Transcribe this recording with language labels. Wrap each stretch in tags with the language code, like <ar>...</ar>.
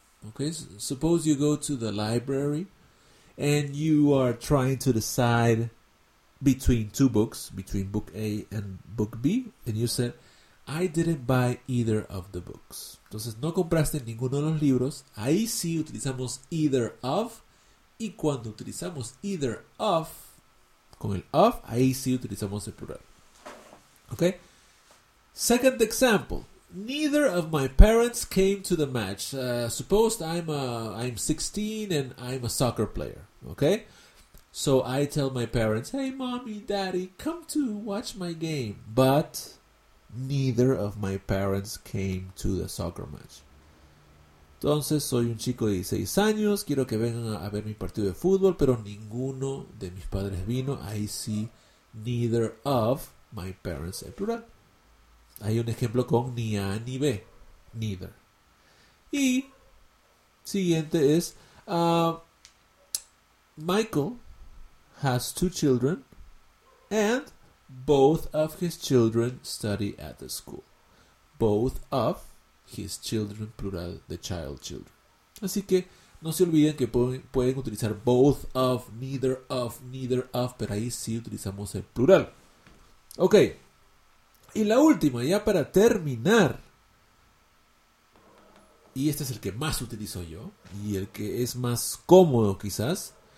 <en>Okay, suppose you go to the library and you are trying to decide between two books, between book A and book B, and you said, I didn't buy either of the books.</en> <es>Entonces, no compraste ninguno de los libros. Ahí sí utilizamos either of, y cuando utilizamos either of, con el of, ahí sí utilizamos el plural.</es> <en>Okay? Second example. Neither of my parents came to the match. Suppose I'm 16 and I'm a soccer player. Okay? So I tell my parents, hey, mommy, daddy, come to watch my game. But neither of my parents came to the soccer match.</en> <es>Entonces, soy un chico de 16 años, quiero que vengan a ver mi partido de fútbol, pero ninguno de mis padres vino.</es> <en>I see neither of my parents,</en> <es>en plural. Hay un ejemplo con ni A ni B, neither. Y siguiente es,</es> <en>Michael has two children and both of his children study at the school. Both of his children, plural, the child children.</en> <es>Así que no se olviden que pueden utilizar both of, neither of, neither of, pero ahí sí utilizamos el plural. Ok, y la última, ya para terminar. Y este es el que más utilizo yo y el que es más cómodo quizás.</es>